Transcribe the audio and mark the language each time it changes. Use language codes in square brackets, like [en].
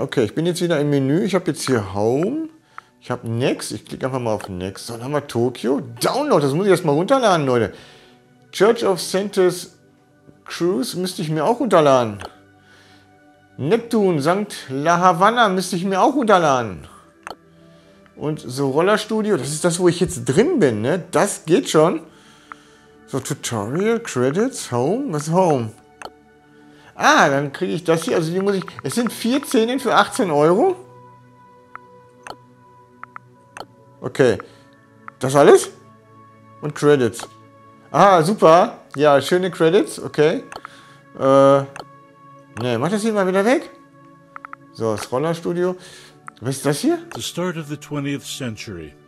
[de] Okay, ich bin jetzt wieder im Menü, ich habe jetzt hier Home. Ich habe Next, ich klicke einfach mal auf Next. So, dann haben wir Tokio. Download, das muss ich erstmal runterladen, Leute. Church of Santa's Cruz müsste ich mir auch unterladen. Neptun, St. La Havana müsste ich mir auch unterladen. Und so Rollerstudio, das ist das, wo ich jetzt drin bin, ne? Das geht schon. So, Tutorial, Credits, Home, was ist Home? Ah, dann kriege ich das hier, also die muss ich... Es sind 14 für 18 Euro? Okay, das alles? Und Credits. Ah, super, ja, schöne Credits, okay. Ne, mach das hier mal wieder weg. So, das Rollerstudio. Was ist das hier? [en] The start of the 20th century.